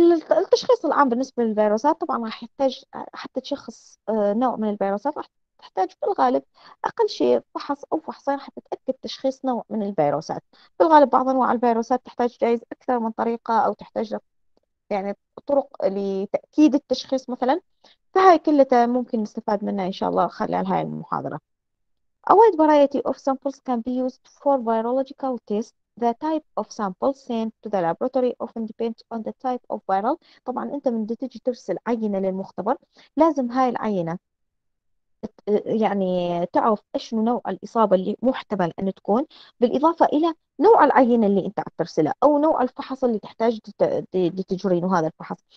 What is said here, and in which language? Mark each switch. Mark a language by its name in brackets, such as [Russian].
[Arabic] التشخيص العام بالنسبة للفيروسات طبعا راح يحتاج، حتى تشخص نوع من الفيروسات راح تحتاج في الغالب أقل شيء فحص أو فحصين حتى تتأكد تشخيص نوع من الفيروسات. في الغالب بعض أنواع الفيروسات تحتاج جايز أكثر من طريقة، أو تحتاج يعني طرق لتأكيد التشخيص مثلا. فهاي كلها ممكن نستفاد منها إن شاء الله خلال هاي المحاضرة. [English] A wide variety of samples can be used for virological tests. The type of sample sent to the laboratory often depends on the type of viral. [Arabic] طبعا انت من دي تجي ترسل عينة للمختبر لازم هاي العينة يعني تعرف اشنو نوع الاصابة اللي محتمل ان تكون، بالاضافة الى نوع العينة اللي انت عم ترسلها او نوع الفحص اللي تحتاج لتجرينه هذا الفحص.